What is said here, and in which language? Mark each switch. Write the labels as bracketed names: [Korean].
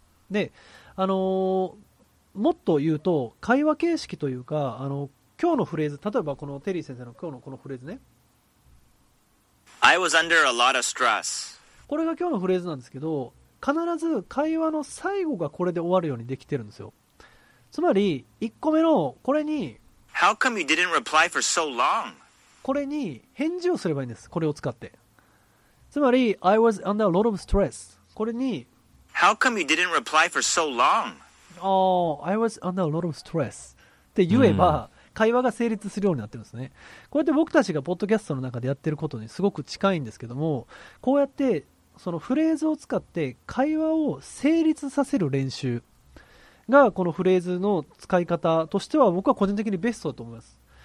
[Japanese] でもっと言うと、会話形式というか、今日のフレーズ、例えばこのテリー先生の今日のこのフレーズね、 [English] I was under a lot of stress、 [Japanese] これが今日のフレーズなんですけど、必ず会話の最後がこれで終わるようにできてるんですよ。つまり1個目のこれに、 [English] How come you didn't reply for so long? [Japanese] これに返事をすればいいんです、これを使って。つまり [English] I was under a lot of stress、 [Japanese] これに [English] How come you didn't reply for so long? Oh, I was under a lot of stress. [Japanese] って言えば会話が成立するようになってるんですね、うん、こうやって僕たちがポッドキャストの中でやってることにすごく近いんですけども、こうやってそのフレーズを使って会話を成立させる練習がこのフレーズの使い方としては僕は個人的にベストだと思います。